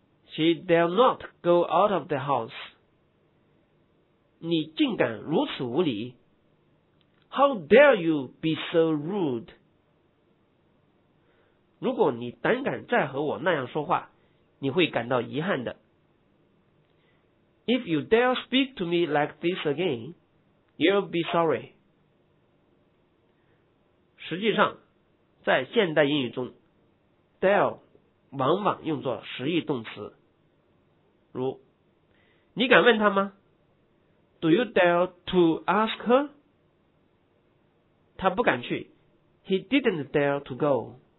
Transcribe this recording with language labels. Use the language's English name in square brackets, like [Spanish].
[English] She dare not go out of the house。 [Chinese] 你竟敢如此无礼。 [English] How dare you be so rude? [Chinese] 如果你胆敢再和我那样说话，你会感到遗憾的。 [English] If you dare speak to me like this again, you'll be sorry. [Chinese] 实际上，在现代英语中 ，dare 往往用作实义动词。 [English] 如， [Chinese] 你敢问他吗 [English] ？Do you dare to ask her? [Chinese] 他不敢去 [English] ，He didn't dare to go。